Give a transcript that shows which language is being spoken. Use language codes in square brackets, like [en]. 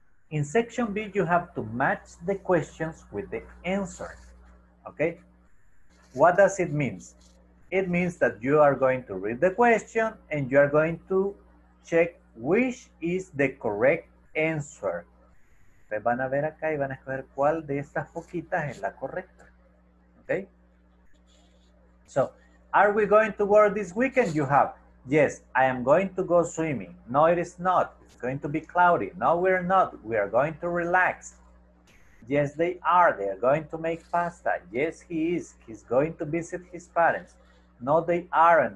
[en] In section B, you have to match the questions with the answer, okay? What does it mean? It means that you are going to read the question and you are going to check which is the correct answer. [es] Ustedes van a ver acá y van a escoger cuál de estas foquitas es la correcta. [en] Okay? So, are we going to work this weekend? You have. Yes, I am going to go swimming. No, it is not. It's going to be cloudy. No, we're not. We are going to relax. Yes, they are. They are going to make pasta. Yes, he is. He's going to visit his parents. No, they aren't.